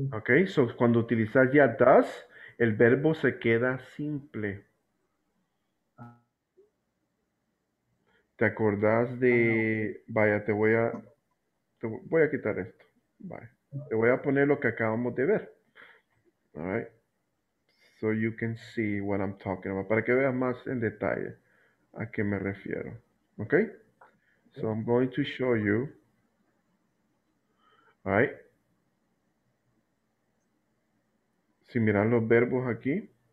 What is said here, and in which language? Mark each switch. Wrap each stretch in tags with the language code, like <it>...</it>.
<es>Ok, so cuando utilizas ya does, el verbo se queda simple. ¿Te acordás de... Vaya, te voy a quitar esto. Vale. Te voy a poner lo que acabamos de ver.</es> <en>All right. So you can see what I'm talking about.</en> <es>Para que veas más en detalle a qué me refiero.</es> <en>Okay? So I'm going to show you. All right.</en> <es>Si miran los verbos aquí.</es>